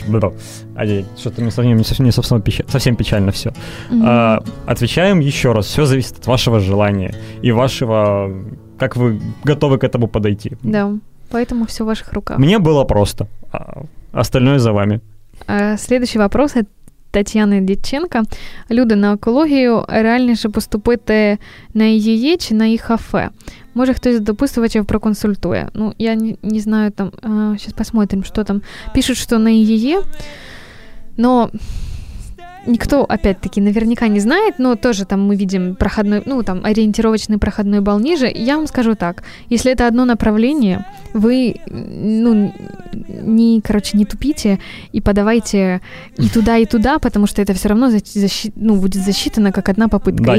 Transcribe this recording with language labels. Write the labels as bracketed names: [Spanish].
[Russian] Что-то мне совсем печально все. Mm-hmm. Отвечаем еще раз. Все зависит от вашего желания и вашего... Как вы готовы к этому подойти. Да, поэтому все в ваших руках. Мне было просто. Остальное за вами. Следующий вопрос от Татьяны Дитченко. [Ukrainian] Люди, на екологію реальніше поступити на ЄЄ чи на ІХФЕ? Може, хтось допитувачів проконсультує? [Russian] Ну, я не знаю там, сейчас посмотрим, что там. Пишут, что на ЄЄ, но никто, опять-таки, наверняка не знает, но тоже там мы видим проходной, ну, там, ориентировочный проходной балл ниже. Я вам скажу так, если это одно направление, вы, ну, не, короче, не тупите и подавайте и туда, потому что это все равно будет засчитано как одна попытка.